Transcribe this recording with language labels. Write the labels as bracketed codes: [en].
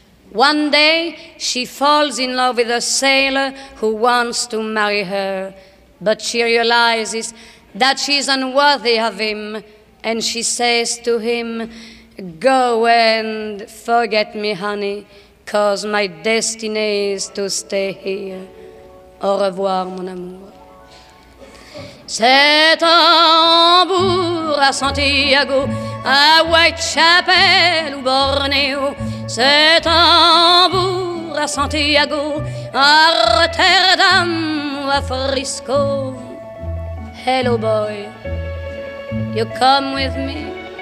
[en] One day, she falls in love with a sailor who wants to marry her. But she realizes that she's unworthy of him, and she says to him, "Go and forget me, honey, 'cause my destiny is to stay here. [fr] Au revoir, mon amour." C'est un bourg à Santiago, à Whitechapel ou Borneo. C'est un bourg à Santiago, à Rotterdam ou à Frisco. [en] Hello, boy, you come with me?